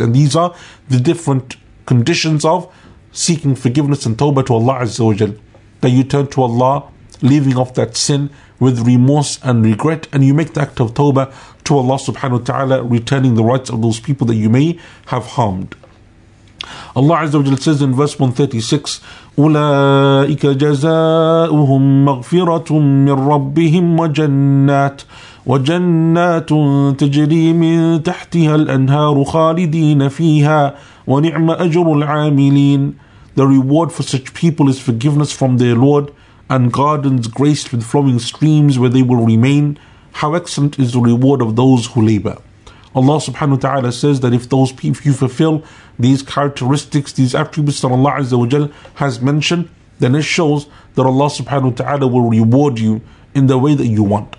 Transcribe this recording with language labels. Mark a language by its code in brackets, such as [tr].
[en] And these are the different conditions of seeking forgiveness and tawbah to Allah Azza wa Jal. That you turn to Allah, leaving off that sin with remorse and regret, and you make the act of tawbah to Allah subhanahu wa ta'ala, returning the rights of those people that you may have harmed. Allah Azza wa Jalla says in verse 136, [ar] أُولَٰئِكَ جَزَاؤُهُمْ مَغْفِرَةٌ مِّن رَبِّهِمْ وَجَنَّاتٌ تَجْرِي مِن تَحْتِهَا الْأَنْهَارُ خَالِدِينَ فِيهَا وَنِعْمَ أَجْرُ الْعَامِلِينَ. [en] The reward for such people is forgiveness from their Lord and gardens graced with flowing streams where they will remain. How excellent is the reward of those who labor. Allah subhanahu wa ta'ala says that if you fulfill these characteristics, these attributes that Allah Azza wa Jal has mentioned, then it shows that Allah subhanahu wa ta'ala will reward you in the way that you want.